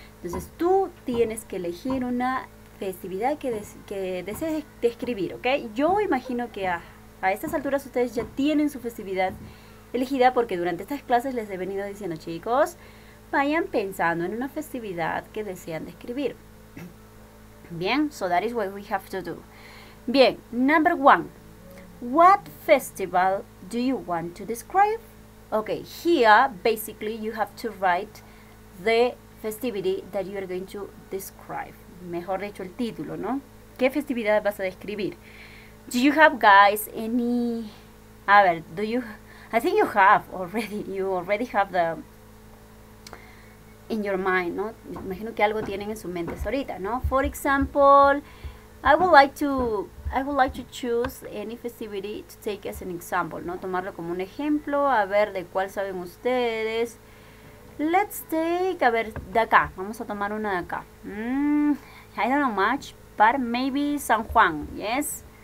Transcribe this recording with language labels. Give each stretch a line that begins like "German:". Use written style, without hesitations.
Spanish: Entonces tú tienes que elegir una festividad que desees describir, ¿ok? Yo imagino que a estas alturas ustedes ya tienen su festividad elegida porque durante estas clases les he venido diciendo, chicos, vayan pensando en una festividad que desean describir.
English: Bien, so that is what we have to do. Bien, number one. What festival do you want to describe? Ok, here basically you have to write the festivity that you are going to describe.
Spanish: Mejor dicho, el título, ¿no? ¿Qué festividad vas a describir?
English: Do you have, guys, any... A ver, do you... I think you have already. You already have the... In your mind, ¿no?
Spanish: Me imagino que algo tienen en sus mentes ahorita, ¿no?
English: For example, I would like to choose any festivity to take as an example, ¿no?
Spanish: Tomarlo como un ejemplo, a ver de cuál saben ustedes.
English: Let's take,
Spanish: a ver, de acá. Vamos a tomar una de acá.
English: I don't know much, but maybe San Juan, yes?